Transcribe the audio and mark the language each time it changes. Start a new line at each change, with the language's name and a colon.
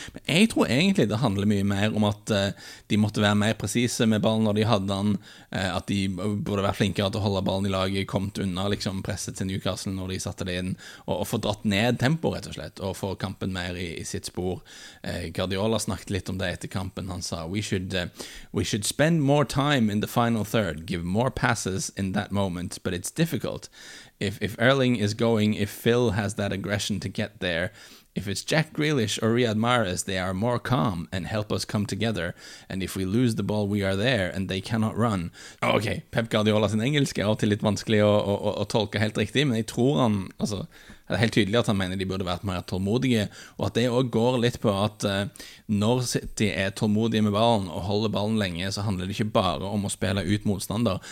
Norwegian: Men jeg tror egentlig det handler mye mer om at de måtte være mer presise med ballen når de hadde den, at de burde være flinkere til å holde ballen i laget, komt unna liksom presset til Newcastle når de satte det inn, og få dratt ned tempo rett og slett, og få kampen mer i sitt spor. Guardiola snakket litt om det etter kampen. Han sa
English: we should spend more time in the final third, give more passes in that moment, but it's difficult if Erling is going, if Phil has that aggression to get there, If it's Jack Grealish or Riyad Mahrez, they are more calm and help us come together. And if we lose the ball, we are there and they cannot run.
Norwegian: Okay, Pep Guardiola sin engelsk av og til litt vanskelig å tolke helt riktig, men jeg tror han, altså, det helt tydelig at han mener de burde vært mer tålmodige, og at det også går litt på at når City tålmodige med ballen og holder ballen lenge, så handler det ikke bare om å spille ut motstander.